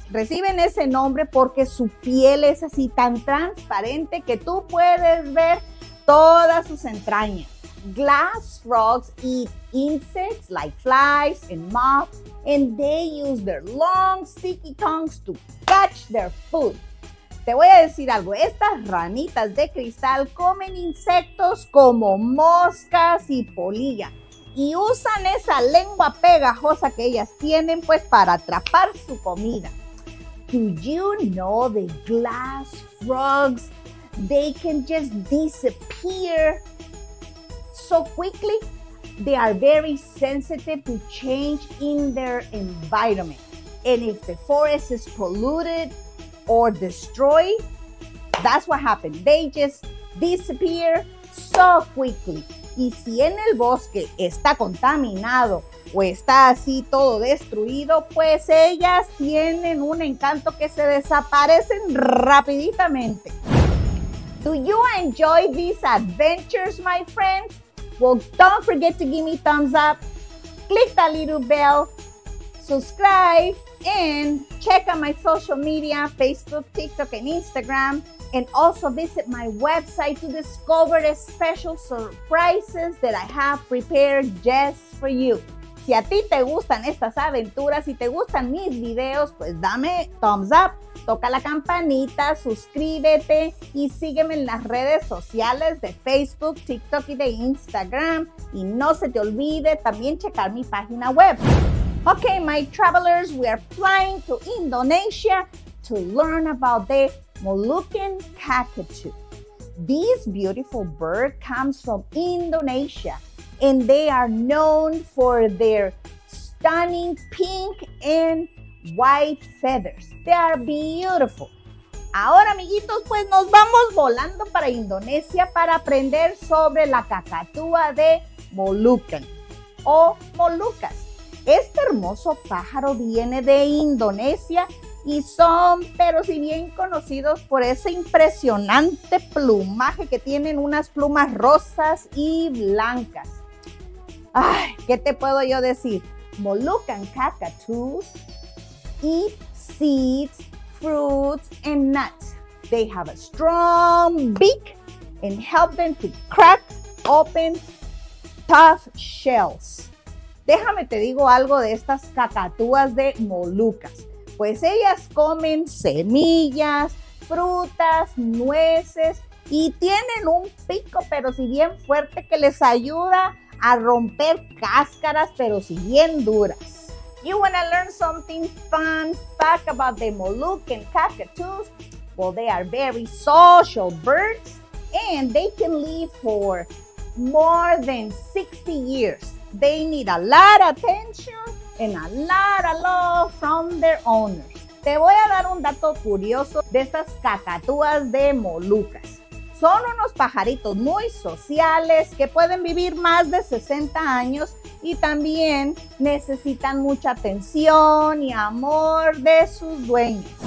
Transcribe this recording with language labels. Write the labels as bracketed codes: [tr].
[es] Reciben ese nombre porque su piel es así tan transparente que tú puedes ver todas sus entrañas. [en] Glass frogs eat insects like flies and moths and they use their long sticky tongues to catch their food. [es] Te voy a decir algo, estas ranitas de cristal comen insectos como moscas y polilla y usan esa lengua pegajosa que ellas tienen pues para atrapar su comida. [en] Do you know the glass frogs? They can just disappear so quickly. They are very sensitive to change in their environment. And if the forest is polluted or destroy, that's what happened. They just disappear so quickly. [es] Y si en el bosque está contaminado o está así todo destruido, pues ellas tienen un encanto que se desaparecen rapiditamente. [en] Do you enjoy these adventures, my friends? Well, don't forget to give me thumbs up, click that little bell, subscribe, and check out my social media, Facebook, TikTok, and Instagram. And also visit my website to discover the special surprises that I have prepared just for you. [es] Si a ti te gustan estas aventuras y te gustan mis videos, pues dame thumbs up, toca la campanita, suscríbete y sígueme en las redes sociales de Facebook, TikTok y de Instagram. Y no se te olvide también checar mi página web. [en] Okay, my travelers, we are flying to Indonesia to learn about the Moluccan cockatoo. This beautiful bird comes from Indonesia, and they are known for their stunning pink and white feathers. They are beautiful. [es] Ahora, amiguitos, pues nos vamos volando para Indonesia para aprender sobre la cacatúa de Moluccan o Molucas. Este hermoso pájaro viene de Indonesia y son, pero si bien conocidos por ese impresionante plumaje que tienen, unas plumas rosas y blancas. Ay, ¿qué te puedo yo decir? [en] Moluccan cockatoos eat seeds, fruits, and nuts. They have a strong beak and help them to crack open tough shells. [es] Déjame te digo algo de estas cacatúas de Molucas. Pues ellas comen semillas, frutas, nueces y tienen un pico, pero si bien fuerte, que les ayuda a romper cáscaras, pero si bien duras. [en] You wanna learn something fun fact about the Moluccan cockatoos? Well, they are very social birds and they can live for more than 60 years. They need a lot of attention and a lot of love from their owners. [es] Te voy a dar un dato curioso de estas cacatúas de Molucas. Son unos pajaritos muy sociales que pueden vivir más de 60 años y también necesitan mucha atención y amor de sus dueños.